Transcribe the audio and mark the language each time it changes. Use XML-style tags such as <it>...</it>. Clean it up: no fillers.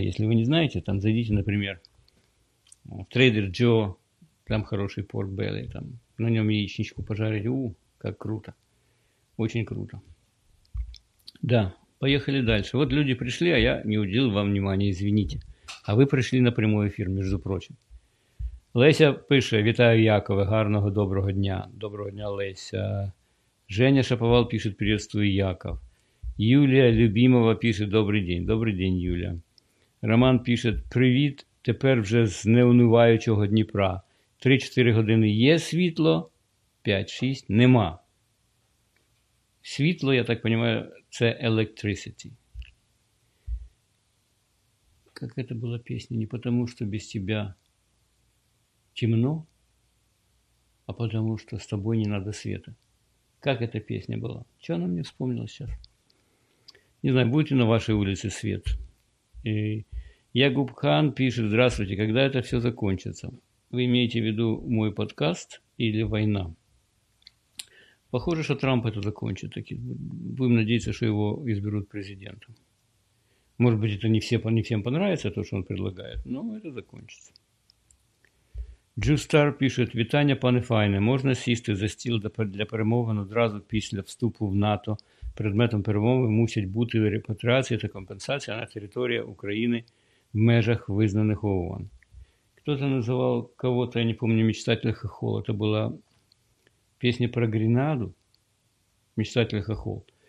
<ru>Если вы не знаете, там зайдите, например, в Trader Joe, там хороший pork belly, там на нем яичничку пожарить. Как круто. Очень круто. Да, поехали дальше. Вот люди пришли, а я не уделил вам внимания, извините. А вы пришли на прямой эфир, между прочим.</ru> <uk>Леся пише, вітаю Якова, гарного, доброго дня. Доброго дня, Леся.</uk> <ru>Женя Шаповал пишет, приветствую Яков.</ru> <uk>Юлія Любімова пише, добрий день. Добрий день, Юля. Роман пише, привіт, тепер вже з неунуваючого Дніпра. 3-4 години є світло, 5-6 нема. Світло, я так розумію, це electricity. Як це була пісня? Не тому, що без тебе темно, а тому, що з тобою не треба світу. Як ця пісня була? Чого вона мені вспомнила зараз?</uk> <ru>Не знаю, будет ли на вашей улице свет. И Ягуб Хан пишет, здравствуйте, когда это все закончится? Вы имеете в виду мой подкаст или война? Похоже, что Трамп это закончит. Так будем надеяться, что его изберут президентом. Может быть, это не всем понравится, то, что он предлагает, но это закончится.</ru> <uk>Джустар пишет, вітання, пане Файне, можна сісти за стіл для перемовин одразу після вступу в НАТО? Предметом перемови мусять бути репатріація та компенсація на території України в межах визнаних ООН. Хтось називав</uk> <ru>кого-то,</ru> <uk>я не пам'ятаю, мечтателя Хохола. Це була пісня про Гренаду, мечтателя Хохол.</uk>